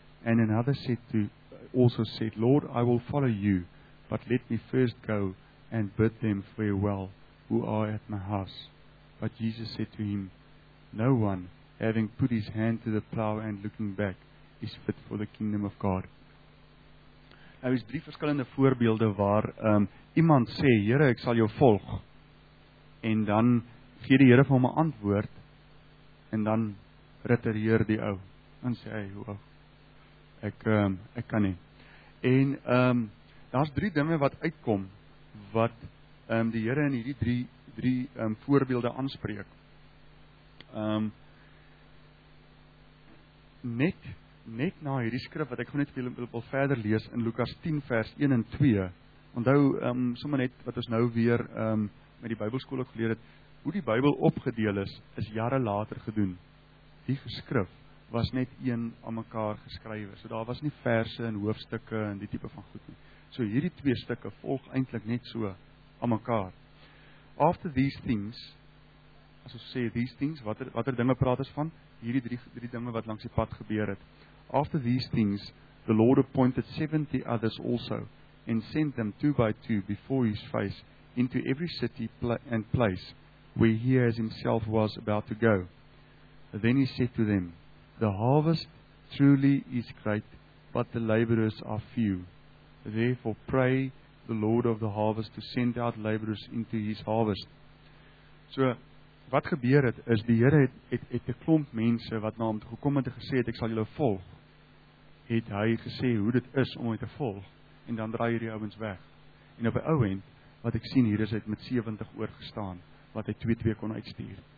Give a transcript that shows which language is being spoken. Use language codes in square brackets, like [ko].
[en] And another also said, Lord, I will follow you, but let me first go and bid them farewell who are at my house. But Jesus said to him, no one, having put his hand to the plow and looking back, is fit for the kingdom of God. [af] Nou is drie verskillende voorbeelde waar iemand sê, Here, ek sal jou volg. En dan gee die Here vir hom 'n antwoord en dan retireer die ou. En sê hy, hoe ou? Ek kan nie. En daar's drie dinge wat uitkom wat die Here in hierdie drie voorbeelde aanspreek. Net na hierdie skrif wat ek gou net vir julle wil verder lees in Lukas 10 vers 1 en 2. Onthou sommer net wat ons nou weer met die Bybelskool ook geleer het, hoe die Bybel opgedeel is, is jare later gedoen. Die geskrif was net een aan mekaar geskrywe. So daar was nie verse en hoofstukke en die tipe van goed nie. So hierdie twee stukke volg eintlik net so aan mekaar. [en] After these things, [af] as ons sê [en] these things, [af] watter dinge praat ons van? Hierdie drie dinge wat langs die pad gebeur het. [en] After these things, the Lord appointed 70 others also, and sent them two by two before his face into every city and place where he as himself was about to go. Then he said to them, the harvest truly is great, but the laborers are few. Therefore pray the Lord of the harvest to send out laborers into his harvest. [af] So, wat gebeur het, is die Here het 'n klomp mense wat na hom toe gekom het en gesê het, ek sal julle volg. Het hy gesê hoe dit is om hy te volg, en dan draai hierdie ouens weg. En op die ou end, wat ek sien hier is, het met 70 oorgestaan, wat hy 2-2 kon uitstuur.